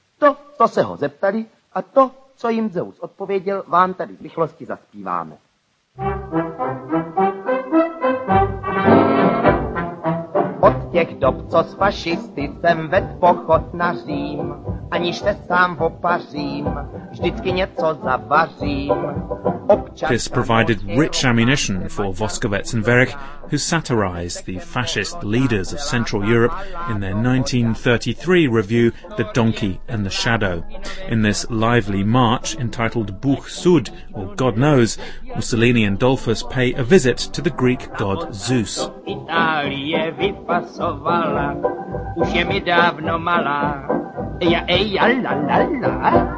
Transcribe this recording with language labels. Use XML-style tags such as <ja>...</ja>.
<cs>To, co se ho zeptali, a to, co jim Zeus odpověděl, vám tady v rychlosti zaspíváme. těch dob, co s fašisty jsem ved pochod na Řím. Aniž se sám opařím, vždycky něco zavařím.</cs> <en>This provided rich ammunition for Voskovets and Verich, who satirized the fascist leaders of Central Europe in their 1933 review, The Donkey and the Shadow. In this lively march entitled Buch Sud, or God Knows, Mussolini and Dollfuss pay a visit to the Greek god Zeus.</en> <cs>Italie vypasovala, už je mi dávno malá, ja ej, ja la la la.</cs>